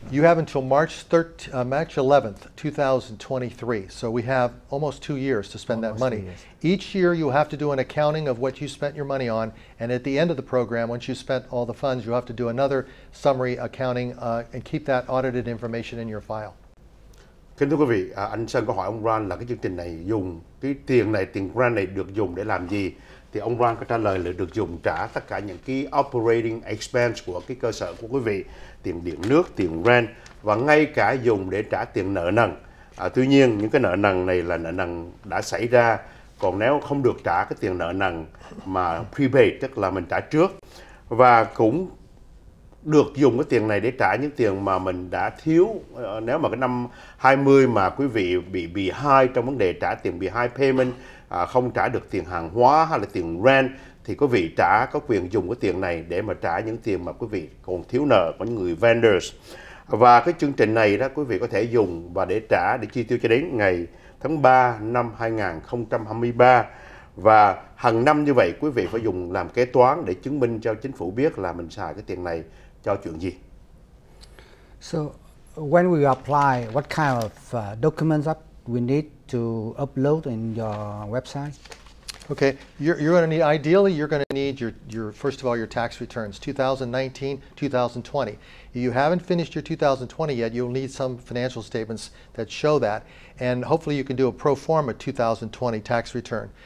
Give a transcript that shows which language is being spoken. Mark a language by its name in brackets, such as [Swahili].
[English] You have until March 11th, 2023. So we have almost 2 years to spend almost that money. Years. Each year you have to do an accounting of what you spent your money on. And at the end of the program, once you spent all the funds, you have to do another summary accounting and keep that audited information in your file. [Vietnamese] Kính thưa quý vị, anh Sơn có hỏi ông Ron là cái chương trình này dùng, cái tiền này, tiền grant này được dùng để làm gì? Thì ông Ron có trả lời là được dùng trả tất cả những cái [English] operating expense [Vietnamese] của cái cơ sở của quý vị, tiền điện nước, tiền rent và ngay cả dùng để trả tiền nợ nần. Tuy nhiên những cái nợ nần này là nợ nần đã xảy ra, còn nếu không được trả cái tiền nợ nần mà prepaid, tức là mình trả trước, và cũng được dùng cái tiền này để trả những tiền mà mình đã thiếu. Nếu mà cái năm 20 mà quý vị bị behind trong vấn đề trả tiền [English] behind payment, [Vietnamese] không trả được tiền hàng hóa hay là tiền rent, thì quý vị trả có quyền dùng cái tiền này để mà trả những tiền mà quý vị còn thiếu nợ của những người vendors. Và cái chương trình này đó quý vị có thể dùng và để trả, để chi tiêu cho đến ngày tháng 3 năm 2023. Và hàng năm như vậy quý vị phải dùng làm kế toán để chứng minh cho chính phủ biết là mình xài cái tiền này cho chuyện gì. [English] So when we apply, what kind of documents that we need to upload in your website? Okay, you're going to need, ideally you're going to need your first of all your tax returns 2019 2020. If you haven't finished your 2020 yet, you'll need some financial statements that show that, and hopefully you can do a pro forma 2020 tax return.